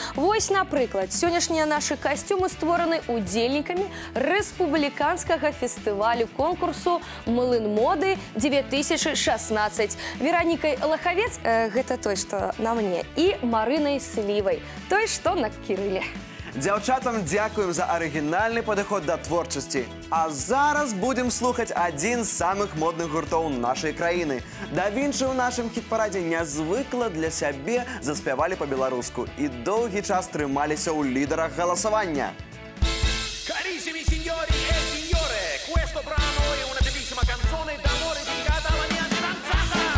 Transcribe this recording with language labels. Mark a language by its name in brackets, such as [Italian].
[Russian] Вот, например, сегодняшние наши костюмы створены удельниками республиканского фестиваля конкурсу «Млын моды 2016». Вероникой Лоховец, это той, что на мне, и Мариной Сливой, той, что на Кирилле. [Ukrainian] Дівчатам дякуємо за оригінальний підхід до творчості. А зараз будемо слухати один з самих модних гуртів нашої країни. Да Вінчі у нашому хіт-параді незвикло для себе заспівали по-білоруську і довгий час трималися у лідерах голосування. [Italian] Карісімі сіньорі і сіньоре, questo brano è una bellissima canzone d'amore dedicata alla mia fidanzata.